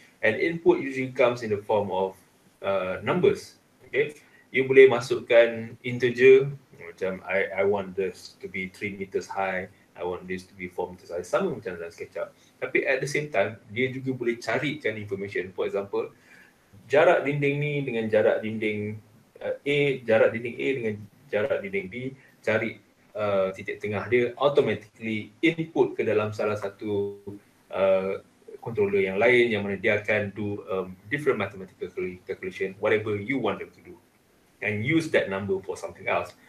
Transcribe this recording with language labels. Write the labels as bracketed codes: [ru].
[en] And input usually comes in the form of numbers. Okay. [ms] You boleh masukkan integer. Macam [en] I want this to be 3 meters high. I want this to be 4 meters high. [ms] Sama macam dalam SketchUp. Tapi [en] at the same time, [ms] dia juga boleh carikan [en] information. For example, [ms] jarak dinding ni dengan jarak dinding A, jarak dinding A dengan jarak dinding B, cari titik tengah dia, automatically input ke dalam salah satu controller yang lain, yang mana dia akan [en] do different mathematical calculation, whatever you want them to do, and use that number for something else.